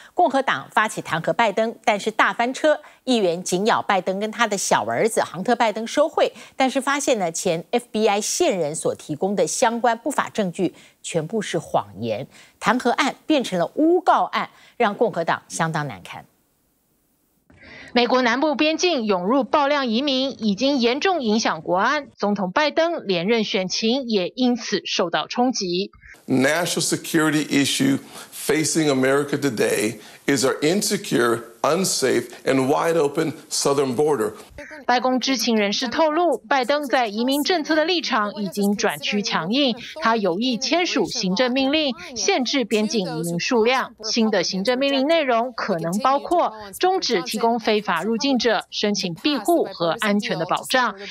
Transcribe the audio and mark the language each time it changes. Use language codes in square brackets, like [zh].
[zh] 共和党发起弹劾拜登，但是大翻车，议员紧咬拜登跟他的小儿子杭特拜登收贿，但是发现呢，前 FBI 线人所提供的相关不法证据全部是谎言，弹劾案变成了诬告案，让共和党相当难堪。美国南部边境涌入爆量移民，已经严重影响国安，总统拜登连任选情也因此受到冲击。 [en] National security issue facing America today is our insecure, unsafe, and wide open southern border. [zh] 白宫知情人士透露，拜登在移民政策的立场已经转趋强硬，他有意签署行政命令限制边境移民数量。新的行政命令内容可能包括终止提供非法入境者申请庇护和安全的保障。